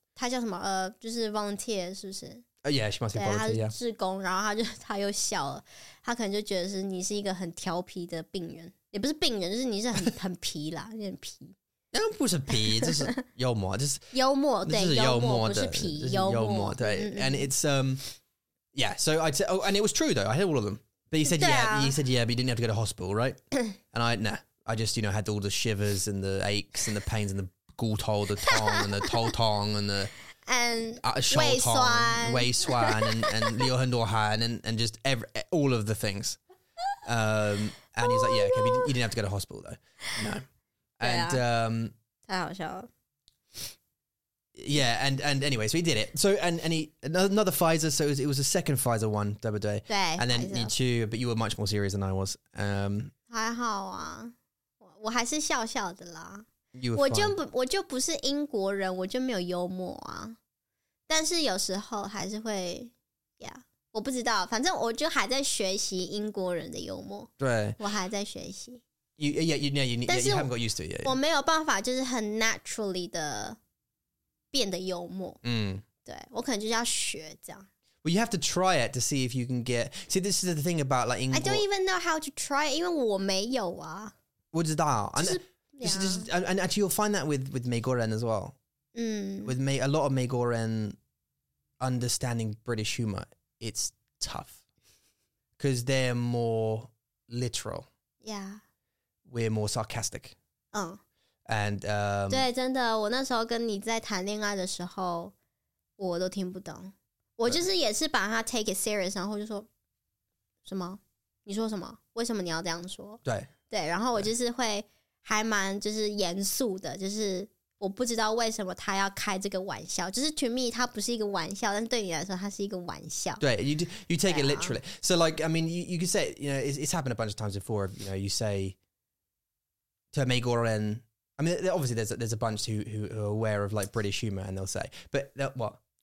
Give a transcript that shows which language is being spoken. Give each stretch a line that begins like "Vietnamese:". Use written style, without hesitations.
Chinese: 她叫什么？就是 volunteer 是不是？
English: Yeah, she must be volunteer.
Chinese: 对，她是志工，然后她又笑了，她可能就觉得是你是一个很调皮的病人，也不是病人，就是你是很皮啦，有点皮。那不是皮，这是幽默，这是幽默，对，这是幽默，不是皮，幽默，对。
English: And it's yeah, so I said, oh, and it was true though. I had all of them. But he said, yeah, but you didn't have to go to hospital, right? And I just, you know, had all the shivers and the aches and the pains and the gutol, the tong and the toltong and the... And wei swan and liu hen duo han and just all of the things. And he's like, yeah, okay, but you didn't have to go to hospital, though. No. And,
Chinese: 太好笑了。
English: Yeah, and anyway, so he did it. So, and he, another Pfizer, so it was a second Pfizer one, double day.
Chinese: 对,
English: and then you too, but you were much more serious than I was.
Chinese: 还好啊，我还是笑笑的啦。
English: You were
Chinese: 我就不是英国人，我就没有幽默啊。但是有时候还是会 ,
English: yeah,
Chinese: 我不知道，反正我就还在学习英国人的幽默。对。我还在学习。
English: You haven't got used to it yet.
Chinese: 我没有办法就是很 naturally 的。变得幽默，嗯，对，我可能就是要学这样。
English: Well, you have to try it to see if you can get... See, this is the thing about like I don't even know how to try it,
Chinese: 因为我没有啊。不知道。
English: And actually, you'll find that with 美国人 as well. Mm. With a lot of 美国人 understanding British humor, it's tough. Because they're more literal. Yeah. We're more sarcastic. And
Chinese: 对，真的，我那时候跟你在谈恋爱的时候， 我都听不懂，我就是也是把它
English: take it serious，
Chinese: 然后就说什么？你说什么？为什么你要这样说？对，然后我就是会还蛮就是严肃的，就是我不知道为什么他要开这个玩笑，就是
English: to me
Chinese: 它不是一个玩笑，但是对你来说它是一个玩笑。对
English: ，you take it literally. So like, I mean, you can say, you know, it's happened a bunch of times before. You know, you say to 美国人。 I mean, obviously, there's a bunch who are aware of like British humor, and they'll say, but what?